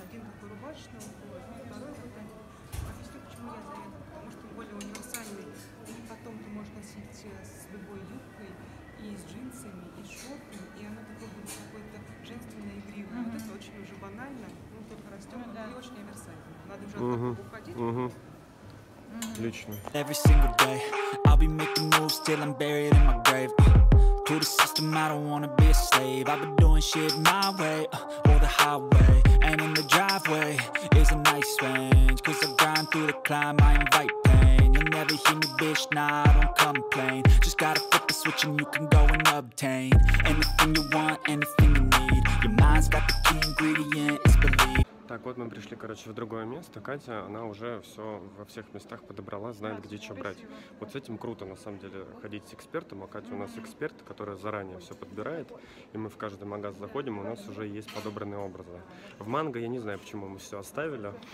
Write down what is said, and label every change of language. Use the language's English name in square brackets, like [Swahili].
[Russian] Один такой рубашечный, второй вариант. Объясню, почему я за это. Потому что он более универсальный. И потом ты можешь носить с любой юбкой, и с джинсами, и с шортами. И оно такое будет какое-то женственное, игривое. Mm-hmm. Вот это очень уже банально. Ну, только растет, да. И очень универсальный. Надо уже оттуда уходить. Лично. [English] Every single day, I'll be making moves till I'm buried in my grave. To the system, I don't wanna be a slave. I've been doing shit my way, or the highway. And in the driveway is a nice range. Cause I grind through the climb, I invite pain. You'll never hear me, bitch, nah, I don't complain. Just gotta flip the switch and you can go and obtain anything you want, anything you need. Your mind's got the key ingredient, it's belief. [Russian] Так, вот мы пришли, короче, в другое место. Катя, она уже все во всех местах подобрала, знает, да, где что брать. Вот с этим круто, на самом деле, ходить с экспертом. А Катя у нас эксперт, которая заранее все подбирает. И мы в каждый магаз заходим, у нас уже есть подобранные образы. В манго я не знаю, почему мы все оставили.